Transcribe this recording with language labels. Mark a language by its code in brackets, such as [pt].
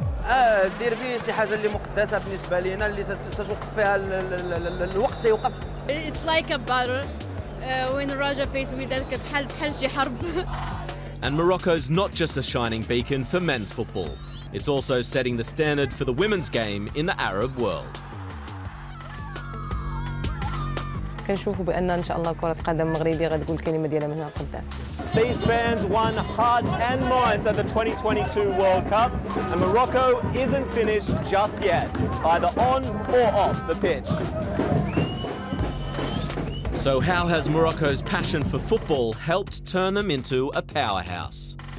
[ar] الديربي شي حاجه اللي مقدسه بالنسبه لينا اللي تتوقف فيها الوقت تيوقف. [en] It's like a battle when Raja faces with that [ar] بحال شي حرب. [en] And Morocco's not just a shining beacon for men's football. It's also setting the standard for the women's game in the Arab world. [ar] كنشوفوا بان ان شاء الله كره القدم المغربيه غتقول الكلمه ديالها من هنا لقدام. [en] These fans won hearts and minds at the 2022 World Cup, and Morocco isn't finished just yet, either on or off the pitch. So how has Morocco's passion for football helped turn them into a powerhouse?